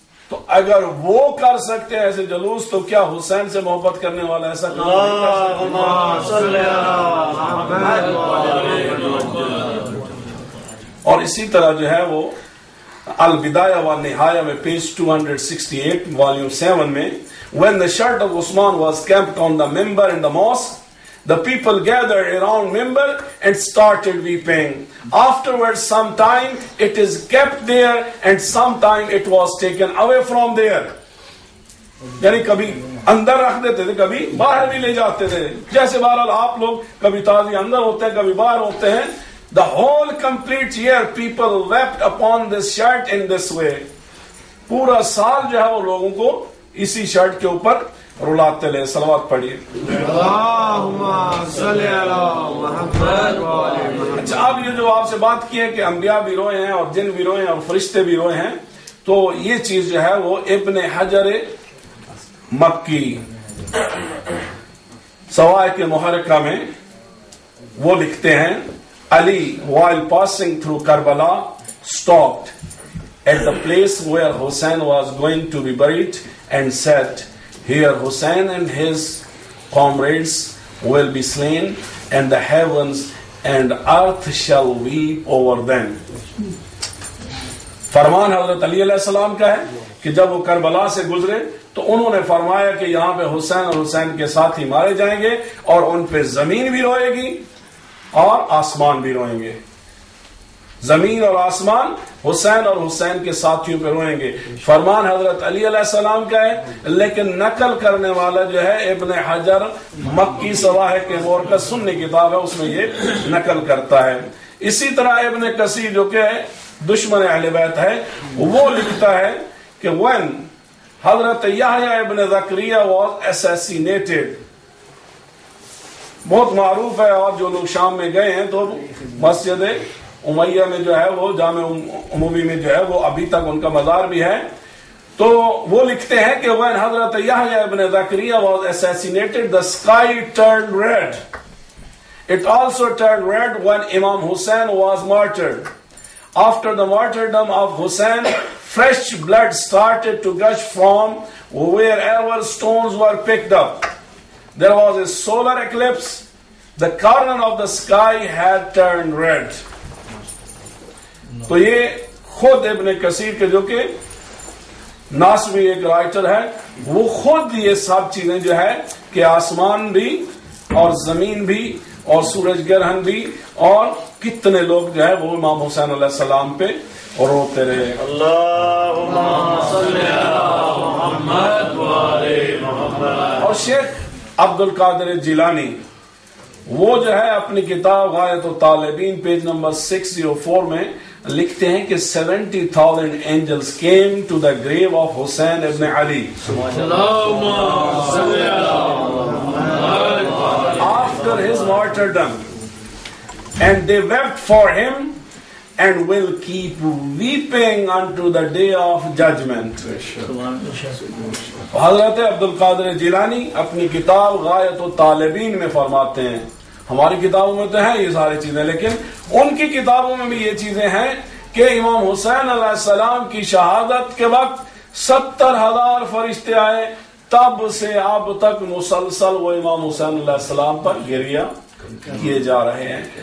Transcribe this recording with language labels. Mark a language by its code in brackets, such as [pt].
[ur] تو اگر وہ کر سکتے ہیں ایسے جلوس, تو کیا حسین سے محبت کرنے والا ایسا کام نہیں کر سکتا؟ اور اسی طرح جو ہے وہ البدایہ و نہایہ میں پیج 268 والیوم 7 میں, [en] when the shirt of Usman was camped on the member in the mosque, the people gathered around member and started weeping. Afterwards, sometime it is kept there and sometime it was taken away from there. [ur] یعنی کبھی اندر رکھ دیتے تھے, کبھی باہر بھی لے جاتے تھے. جیسے بہرحال آپ لوگ کبھی تازی اندر ہوتے ہیں, کبھی باہر ہوتے ہیں. [en] The whole complete year people wept upon this shirt in this way. [ur] پورا سال جو ہے وہ لوگوں کو اسی شرٹ کے اوپر رلاتے لے. سلوات پڑھیے. [ar] اللہم صلی علی محمد وآلہ محمد. [ur] اچھا, اب یہ جو آپ سے بات کی ہے کہ انبیاء بھی روئے ہیں اور جن بھی روئے ہیں اور فرشتے بھی روئے ہیں, تو یہ چیز جو ہے وہ ابن حجر مکی سوائے کے محرکہ میں وہ لکھتے ہیں, [en] Ali while passing through Karbala stopped at the place where Hussein was going to be buried and said, here Hussein and his comrades will be slain, and the heavens and earth shall weep over them. [ur] فرمان حضرت علی علیہ السلام کا ہے کہ جب وہ کربلا سے گزرے تو انہوں نے فرمایا کہ یہاں پہ حسین اور حسین کے ساتھ ہی مارے جائیں گے اور ان پہ زمین بھی روئے گی اور آسمان بھی روئیں گے. زمین اور آسمان حسین اور حسین کے ساتھیوں پہ روئیں گے. فرمان حضرت علی علیہ السلام کا ہے, لیکن نقل کرنے والا جو ہے ابن حجر مکی سواحق کے غور کا سنی کتاب ہے, اس میں یہ نقل کرتا ہے. اسی طرح ابن کثیر جو کہ دشمن اہل بیت ہے وہ لکھتا ہے کہ [en] when Hazrat Yahya ibn Zakariya was assassinated, [ur] بہت معروف ہے, آپ جو لوگ شام میں گئے ہیں تو مسجد امیہ میں جو ہے وہ جامع عمومی میں جو ہے وہ ابھی تک ان کا مزار بھی ہے, تو وہ لکھتے ہیں کہ [en] when Hazrat Yahya ibn Zakariya was assassinated the sky turned red, it also turned red when Imam Hussein was martyred. After the martyrdom of Hussein, fresh blood started to gush from wherever stones were picked up. There was a solar eclipse. The corner of the sky had turned red. [ur] تو یہ خود ابن کثیر کے جو کہ ناسوی ایک writer ہے وہ خود یہ سب چیزیں جو ہے کہ آسمان بھی اور زمین بھی اور سورج گرہن بھی اور کتنے لوگ جو ہے وہ امام حسین علیہ السلام پہ روتے رہے. [ar] اللہم صلی علی محمد وآلِ محمد. [ur] اور شیخ عبد القادر جیلانی وہ جو ہے اپنی کتاب غایت الطالبین پیج نمبر 604 میں لکھتے ہیں کہ 70,000 [en] Angels came to the grave of Hussein ibn Ali. [ar] اللہم صلی علی محمد [en] After his martyrdom and they wept for him and will keep weeping unto the day of judgment. [ur] حضرت عبد القادر جیلانی اپنی کتاب غایت الطالبین میں فرماتے ہیں, ہماری کتابوں میں تو ہیں یہ ساری چیزیں لیکن ان کی کتابوں میں بھی یہ چیزیں ہیں کہ امام حسین علیہ السلام کی شہادت کے وقت 70,000 فرشتے آئے, تب سے اب تک مسلسل وہ امام حسین علیہ السلام پر گریا کیے جا رہے ہیں.